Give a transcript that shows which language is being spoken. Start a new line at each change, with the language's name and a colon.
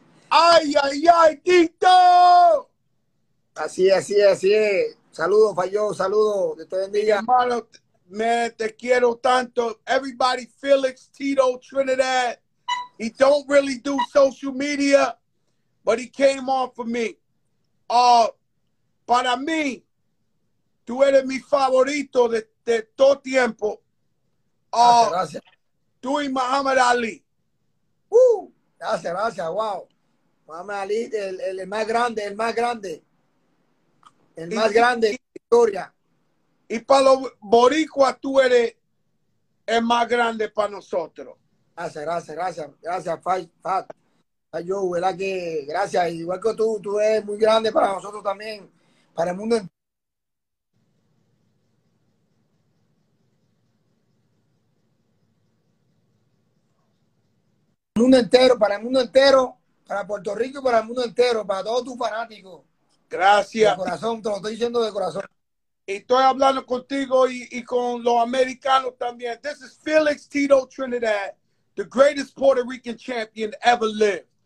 Spanish: ¡Ay, ay, ay, Tito! Así es. Saludos, Fayo, saludos. Que te bendiga. Hermano, man, te quiero tanto. Everybody, Felix, Tito, Trinidad.
English: He don't really do social media, but he came on for me.
Spanish: Para mí, tú eres mi favorito de todo tiempo. Gracias. Tú y Muhammad Ali. ¡Woo! Gracias, wow. Mamá Ali, el más grande en la historia. Y para los boricuas, tú eres el más grande para nosotros. Gracias, Fat. Yo, ¿verdad que? Gracias. Igual que tú eres muy grande para nosotros también, para el mundo entero. Para Puerto Rico y para el mundo entero, para todos tus fanáticos. Gracias. De corazón, te lo estoy diciendo de corazón. Y estoy hablando contigo y con los americanos también.
English: This is Felix Tito Trinidad, the greatest Puerto Rican champion to ever live.